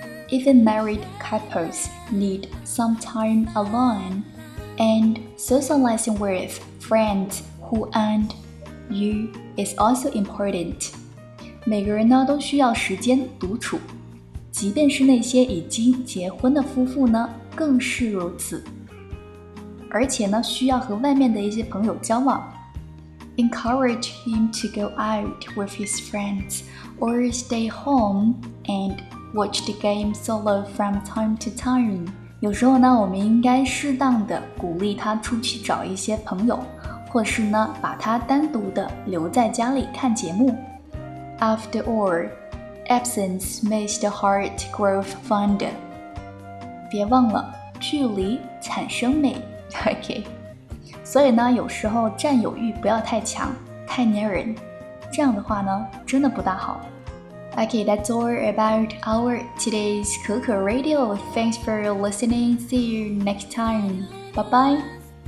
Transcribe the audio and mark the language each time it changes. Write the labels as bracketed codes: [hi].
[en] Even married couples need some time alone and socializing with friends who aren't you is also important. [zh] 每个人呢都需要时间独处，即便是那些已经结婚的夫妇呢更是如此。而且呢需要和外面的一些朋友交往。 [en] Encourage him to go out with his friends or stay home andWatch the game solo from time to time. [zh] 有时候呢，我们应该适当的鼓励他出去找一些朋友，或是呢，把他单独的留在家里看节目。 [en] After all, absence makes the heart grow fonder. [zh] 别忘了，距离产生美。OK. 所以呢，有时候占有欲不要太强，太黏人，这样的话呢，真的不大好。 [en] Okay, that's all about our today's Keke Radio. Thanks for listening. See you next time. Bye-bye.